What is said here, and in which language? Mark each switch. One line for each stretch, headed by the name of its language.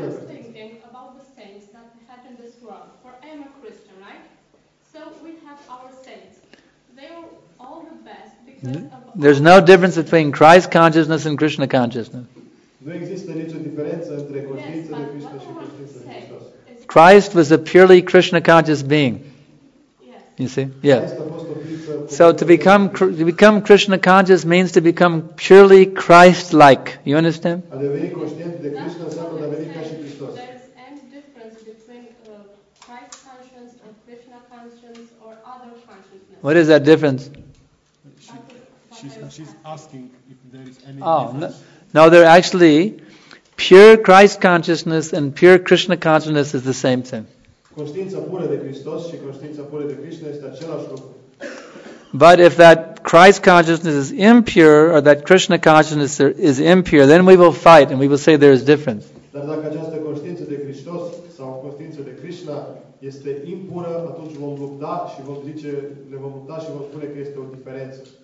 English: But I was thinking about the saints that we have in this world. For every Christian, right? So we have our saints. They are all the best because of. There's no difference between Christ consciousness and Krishna consciousness.
Romanian: Nu există nicio diferență între conștiința de Krishna și conștiința de Hristos.
English: Christ was a purely Krishna conscious being. Yes. You see? Yeah. So to become Krishna conscious means to become purely Christ like. You understand?
Romanian: A deveni conștient de Krishna înseamnă a deveni ca și Hristos.
English: There is any difference between Christ conscious and Krishna conscious or other consciousness? What is that difference? She's asking if there is any difference. No, they're actually pure Christ consciousness and pure Krishna consciousness is the same thing.
Romanian: Conștiința pură de Hristos și conștiința pură de Krishna este același lucru.
English: But if that Christ consciousness is impure or that Krishna consciousness is impure, then we will fight and we will say there is difference.
Romanian: Dar dacă această conștiință de Hristos sau conștiința de Krishna este impură, atunci vom lupta și vom zice, ne vom lupta și vom spune că este o diferență.